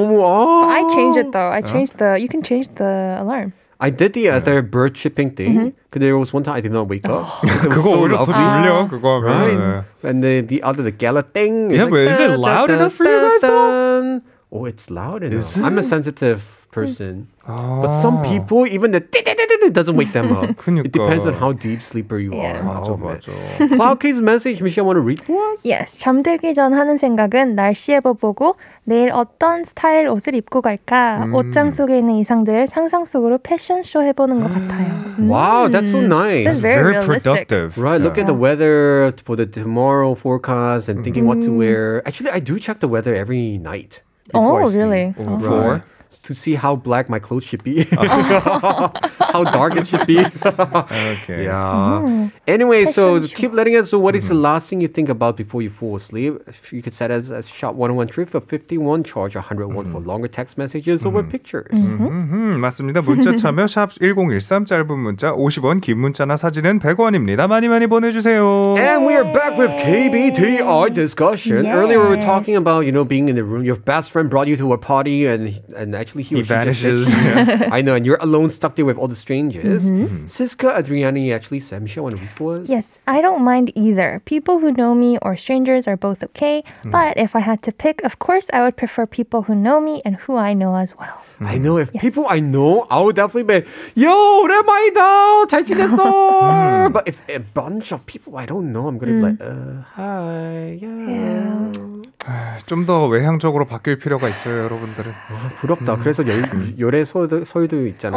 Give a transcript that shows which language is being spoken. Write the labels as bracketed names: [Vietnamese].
[English] which one. I changed it though. I changed the, you can change the alarm. I did the other bird chipping thing. But there was one time I did not wake up. [Korean] 그거 올라오지 울려, 그거 하면. [English] Right. And the other, the gala thing. Yeah, but is it loud enough for you guys though? Oh, it's loud enough. I'm a sensitive person. But some people, even the It doesn't wake them up. [Korean] 그러니까. [English] It depends on how deep sleeper you yeah. are. [Korean] 맞아, 맞아. [English] Cloudkey's message, Michelle, want to read for us? Yes. [Korean] 잠들기 전 하는 생각은 날씨 예보 보고 내일 어떤 스타일 옷을 입고 갈까? 옷장 속에 있는 이상들을 상상 속으로 패션쇼 해보는 것 같아요. [English] Wow, that's so nice. That's very realistic. Productive. Right, yeah. look at the weather for the tomorrow forecast and thinking what to wear. Actually, I do check the weather every night. Oh, really? Before? Right. To see how black my clothes should be. how dark it should be. okay. Yeah. Anyway, so keep letting us know what is the last thing you think about before you fall asleep. You can set us as shot 1013 for 51, charge 101 for longer text messages over pictures. [Korean] 맞습니다. 문자 참여 샵 1013, 짧은 문자 50원, 긴 문자나 사진은 100원입니다. 많이 많이 보내주세요. [English] And we are back with KBTR discussion. Yes. Earlier we were talking about, you know, being in the room. Your best friend brought you to a party and actually he vanishes. I know, and you're alone stuck there with all the strangers. Siska Adriani actually said, Michelle, want to read for us? Yes, I don't mind either. People who know me or strangers are both okay. But if I had to pick, of course, I would prefer people who know me and who I know as well. I know, if people I know, I would definitely be, yo, [Korean] 오랜만이다, 잘 지냈어. [English] But if a bunch of people I don't know, I'm going to be like, hi, yeah. [Korean] 좀 더 외향적으로 바뀔 필요가 있어요, 여러분들은. 부럽다. 그래서 열의 소유도 있잖아요.